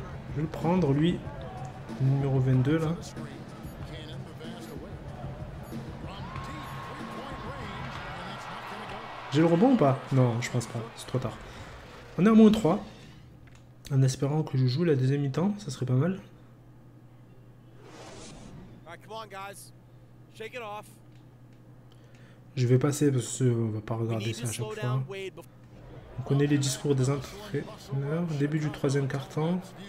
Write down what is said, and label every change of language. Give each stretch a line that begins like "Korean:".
French: Je vais le prendre, lui, numéro 22 là. J'ai le rebond ou pas? Non, je pense pas, c'est trop tard. On est à moins 3, en espérant que je joue la deuxième mi-temps, ça serait pas mal.
English: All right, come on, guys. Shake it off.
French: Je vais passer parce qu'on va pas regarder ça à chaque fois. On connaît les discours des entraîneurs. Début du troisième carton.